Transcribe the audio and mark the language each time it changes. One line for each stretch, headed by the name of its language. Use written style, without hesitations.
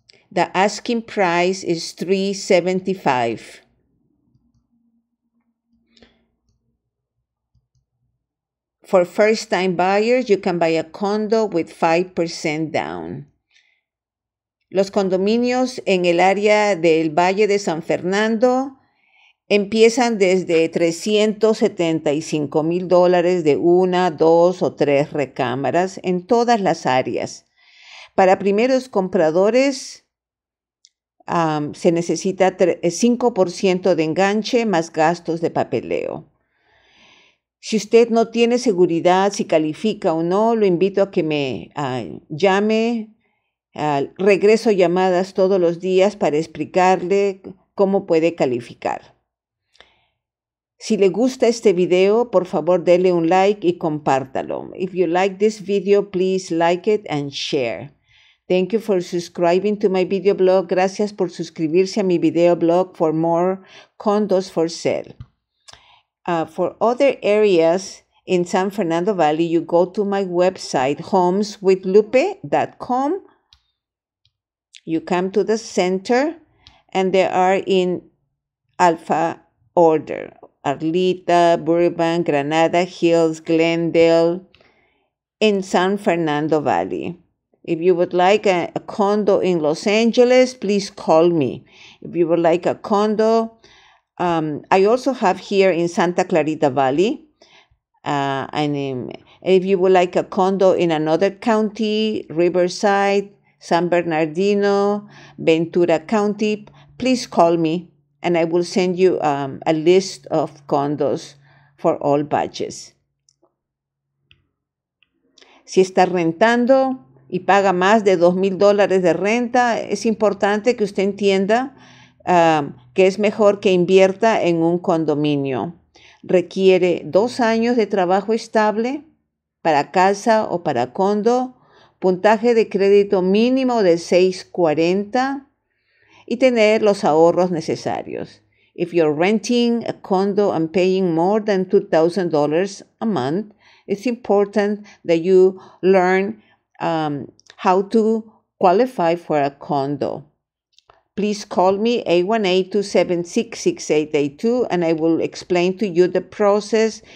English: The asking price is $375,000. For first time buyers, you can buy a condo with 5% down.
Spanish: Los condominios en el área del Valle de San Fernando empiezan desde $375,000 de una, dos o tres recámaras en todas las áreas. Para primeros compradores se necesita 5% de enganche más gastos de papeleo. Si usted no tiene seguridad, si califica o no, lo invito a que me llame. Regreso llamadas todos los días para explicarle cómo puede calificar. Si le gusta este video, por favor, dele un like y compártalo.
English: If you like this video, please like it and share. Thank you for subscribing to my video blog.
Spanish: Gracias por suscribirse a mi video blog
English: for more condos for sale. For other areas in San Fernando Valley, you go to my website, homeswithlupe.com. You come to the center, and they are in alpha order. Arleta, Burbank, Granada Hills, Glendale, in San Fernando Valley. If you would like a condo in Los Angeles, please call me. If you would like a condo, I also have here in Santa Clarita Valley. And if you would like a condo in another county, Riverside, San Bernardino, Ventura County, please call me and I will send you a list of condos for all budgets.
Spanish: Si está rentando y paga más de $2,000 de renta, es importante que usted entienda que es mejor que invierta en un condominio. Requiere 2 años de trabajo estable para casa o para condo. Puntaje de crédito mínimo de 640 y tener los ahorros necesarios.
English: If you're renting a condo and paying more than $2,000 a month, it's important that you learn how to qualify for a condo. Please call me 818-276-6882 and I will explain to you the process.